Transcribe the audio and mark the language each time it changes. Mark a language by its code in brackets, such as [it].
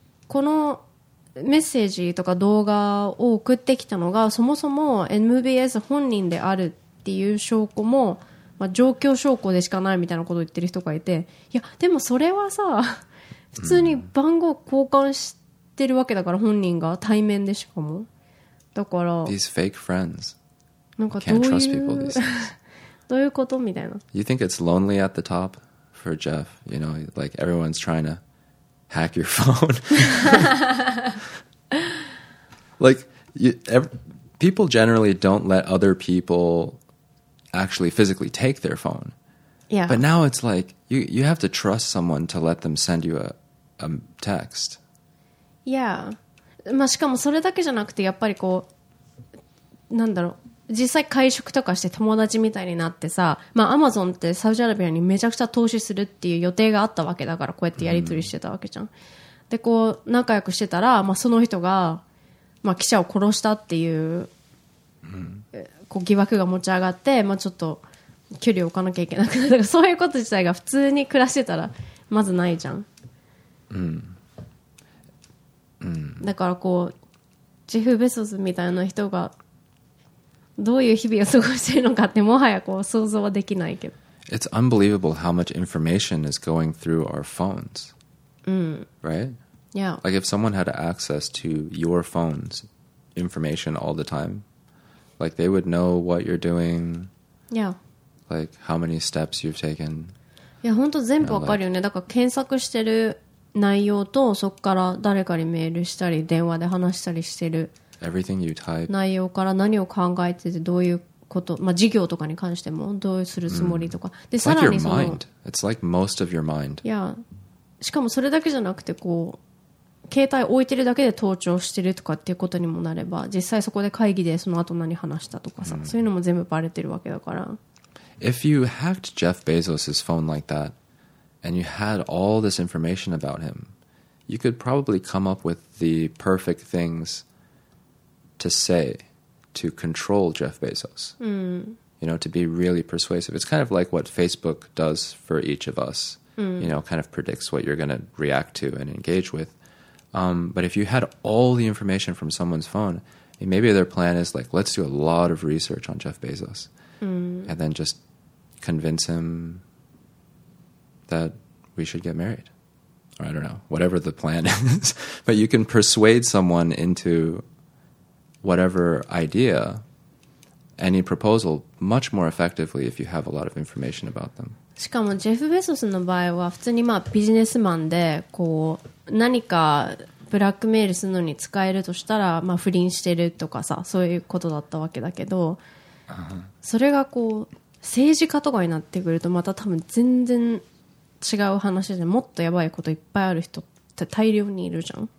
[ja] のメッセージとか動画を送ってきたのがそもそも MBS 本人であるっていう証拠も、まあ、状況証拠でしかないみたいなことを言ってる人がいて、いやでもそれはさ普通に番号交換してるわけだから、本人が対面でしかも、だから [en] These fake friends. [ja] なんかどういうどういうことみたいな。 [en] You think it's lonely at the topFor Jeff, you know, like everyone's trying to hack your phone. Like, people generally don't let other people actually physically take their phone. Yeah. But now it's like, you have to trust someone to let them send you a text. Yeah. [ja] まあしかもそれだけじゃなくて、やっぱりこう、なんだろう。実際会食とかして友達みたいになってさ、まあアマゾンってサウジアラビアにめちゃくちゃ投資するっていう予定があったわけだから、こうやってやり取りしてたわけじゃん、うん、でこう仲良くしてたら、まあその人が、まあ、記者を殺したっていう、うん、こう疑惑が持ち上がって、まあちょっと距離を置かなきゃいけなくなる。だからそういうこと自体が普通に暮らしてたらまずないじゃん、うんうん、だからこうジェフ・ベソスみたいな人がどういう日々を過ごしているのかってもはやこう想像はできないけど。 [en] It's unbelievable how much information is going through our phones. Mm. Right? Yeah. Like if someone had access to your phone's information all the time, like they would know what you're doing. Yeah. Like how many steps you've taken. [ja] いや、本当全部わかるよね。だから検索してる内容と、そこから誰かにメールしたり電話で話したりしてる。 [en] Everything you type. [ja] 内容から何を考えてて、どういうこと、まあ事業とかに関してもどうするつもりとか、mm. でさらにその、 [en] mind. It's like most of your mind. [ja] いや、しかもそれだけじゃなくて、こう携帯置いてるだけで盗聴してるとかっていうことにもなれば、実際そこで会議でその後何話したとかさ、mm. そういうのも全部バレてるわけだから。 [en] If you hacked Jeff Bezos's phone like that, and you had all this information about him, you could probably come up with the perfect things. To say, to control Jeff Bezos,、 mm. you know, to be really persuasive. It's kind of like what Facebook does for each of us,、 mm. you know, kind of predicts what you're going to react to and engage with.、but if you had all the information from someone's phone, maybe their plan is like, let's do a lot of research on Jeff Bezos,、 mm. and then just convince him that we should get married. Or I don't know, whatever the plan is. But you can persuade someone into... whatever idea, any proposal, much more effectively if you have a lot of information about them. [ja] しかもジェフ・ベソスの場合は普通にまあビジネスマンで、こう何かブラックメールするのに使えるとしたら、まあ不倫してるとかさ、そういうことだったわけだけど、それがこう政治家とかになってくるとまた多分全然違う話で、もっとやばいこといっぱいある人って大量にいるじゃん、